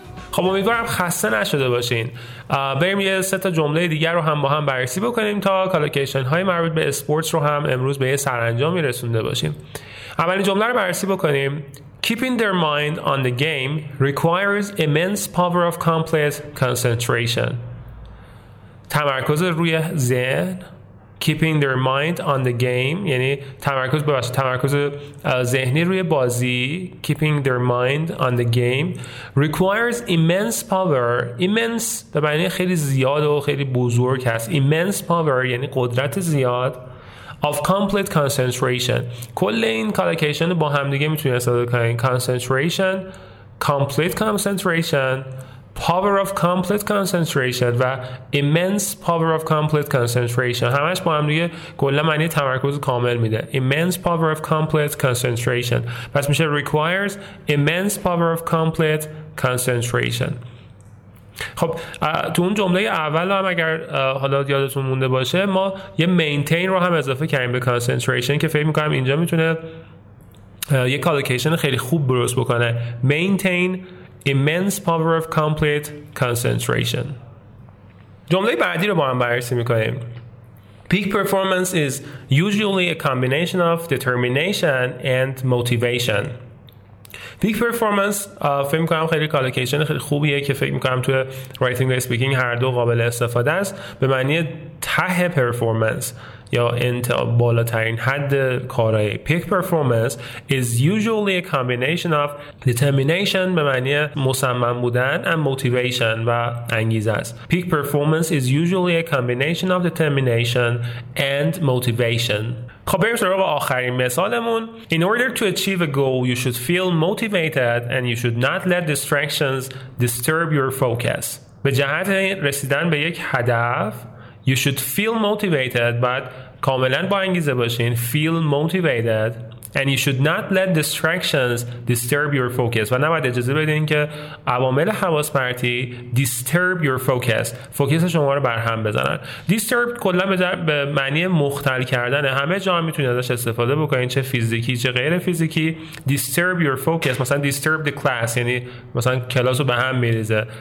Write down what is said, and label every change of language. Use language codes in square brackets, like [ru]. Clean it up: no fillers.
[fa] خب امیدوارم خسته نشده باشین. بریم یه سه تا جمله دیگر رو هم با هم بررسی بکنیم تا کالوکیشن های مربوط به اسپورتس رو هم امروز به یه سرانجامی رسونده باشیم. اولین جمله رو بررسی بکنیم. [en] Keeping their mind on the game requires immense power of complete concentration. [fa] تمرکز روی ذهن. [en] Keeping their mind on the game [fa] یعنی تمرکز ذهنی روی بازی. [en] Keeping their mind on the game requires immense power. [fa] Immense به معنی خیلی زیاد و خیلی بزرگ هست. [en] Immense power [fa] یعنی قدرت زیاد. [en] Of complete concentration، [fa] کل این collocation با هم دیگه میتونید استفاده کنید. [en] Concentration، complete concentration، power of complete concentration و immense power of complete concentration، [fa] همش با هم دیگه کلا معنی تمرکز کامل میده. [en] immense power of complete concentration [fa] پس میشه [en] requires immense power of complete concentration. [fa] خب تو اون جمله اول هم اگر حالا یادتون مونده باشه ما یه maintain رو هم اضافه کردیم به concentration که فکر میکنم اینجا میتونه یه collocation خیلی خوب برس بکنه. [en] maintain immense power of complete concentration. [fa] جمله بعدی رو با هم بررسی میکنیم. [en] Peak performance is usually a combination of determination and motivation. [fa] Peak performance فکر میکنم خیلی کالوکیشن خیلی خوبیه که فکر میکنم توی writing و speaking هر دو قابل استفاده است، به معنی ته performance یا بالاترین حد کارایی. [en] Peak performance is usually a combination of determination [fa] به معنی مصمم بودن [en] and motivation [fa] و انگیزه است. [en] Peak performance is usually a combination of determination and motivation. [fa] خب بریم سراغ آخرین مثالمون. [en] In order to achieve a goal, you should feel motivated and you should not let distractions disturb your focus. [fa] به جهت رسیدن به یک هدف [en] you should feel motivated, but [fa] کاملا با انگیزه باشین. [en] Feel motivated and you should not let distractions disturb your focus. [fa] و نباید اجازه بدین که عوامل حواس پرتی [en] disturb your focus، [fa] فوکس شما رو برهم بزنن. disturb کلا به معنی مختل کردن، همه جا هم میتونید ازش استفاده بکنین، چه فیزیکی چه غیر فیزیکی. [en] disturb your focus [fa] مثلا [en] disturb the class، [fa] یعنی مثلا کلاس رو به هم میریزه.